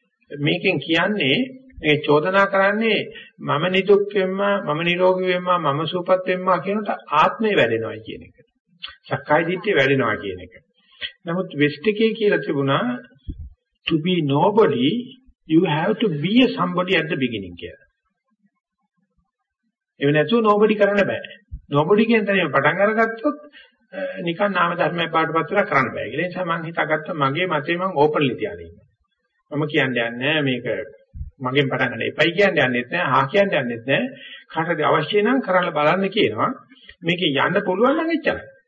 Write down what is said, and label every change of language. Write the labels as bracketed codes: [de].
[si] මේකෙන් කියන්නේ මේ චෝදනා කරන්නේ මම නිදුක් වෙම්මා මම නිරෝගී වෙම්මා මම සුවපත් වෙම්මා කියනට ආත්මය වැඩෙනවා කියන එක. සක්කාය දිට්ඨිය වැඩෙනවා කියන එක. නමුත් වෙස්ටිකේ කියලා තිබුණා [en] to be nobody you have to be a somebody at the beginning [si] කියලා. එහෙම නැතුව nobody කරන්න බෑ. nobody කියන තැනම පටන් අරගත්තොත් නිකන් නාම ධර්මයක් පාටපත් කරලා කරන්න බෑ. ඒ නිසා මම හිතාගත්ත මගේ මතේ මම openly තියාගන්නවා. මම කියන්නේ නැහැ මේක මගෙන් පටන් ගන්න එපයි කියන්නේ යන්නේ නැහැ හා කියන්නේ යන්නේ නැහැ කාටද අවශ්‍ය නම් කරලා බලන්න කියනවා මේක යන්න පුළුවන් නම් එච්චරයි